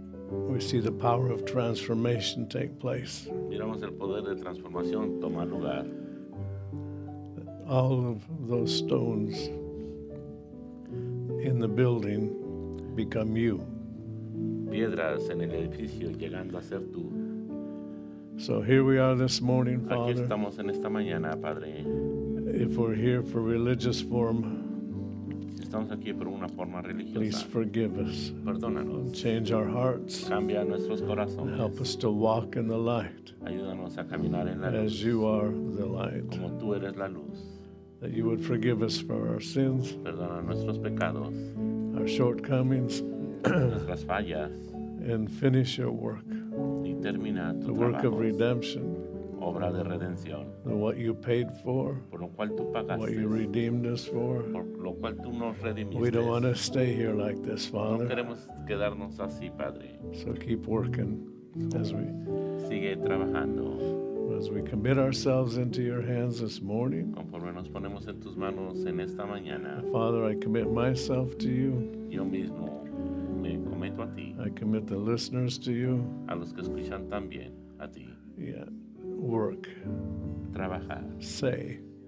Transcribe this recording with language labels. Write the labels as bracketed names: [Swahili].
[English] We see the power of transformation take place. [Spanish] Miramos el poder de transformación tomar lugar. [English] All of those stones in the building become you. [Spanish] Piedras en el edificio llegando a ser tú. [English] So here we are this morning, Father. [Spanish] Aquí estamos en esta mañana, Padre. [English] If we're here for religious form, [Spanish] Estamos aquí por una forma religiosa. [English] Please forgive us. [Spanish] Perdónanos. [English] Change our hearts. [Spanish] Cambia nuestros corazones. [English] Help us to walk in the light. [Spanish] Ayúdanos a caminar en la luz. [English] As you are the light. [Spanish] Como tú eres la luz. [English] That you would forgive us for our sins. [Spanish] Perdona nuestros pecados. [English] Our shortcomings. [Spanish] Nuestras fallas. [English] And finish your work. [Spanish] Y termina tu trabajo. [English] Work of redemption. [Spanish] Obra de redención. [English] What you paid for. [Spanish] Por lo cual tú pagaste. [English] What you redeemed us for. [Spanish] Por lo cual tú nos redimiste. [English] We don't want to stay here like this, Father. [Spanish] No queremos quedarnos así, Padre. [English] So keep working as we. [Spanish] Sigue trabajando. [English] As we commit ourselves into your hands this morning. [Spanish] Conforme nos ponemos en tus manos en esta mañana. [English] Father, I commit myself to you. [Spanish] Yo mismo me cometo a ti. [English] I commit the listeners to you. [Spanish] A los que escuchan también a ti. [English] Yeah. Work. [Spanish] Trabajar. [English] Say.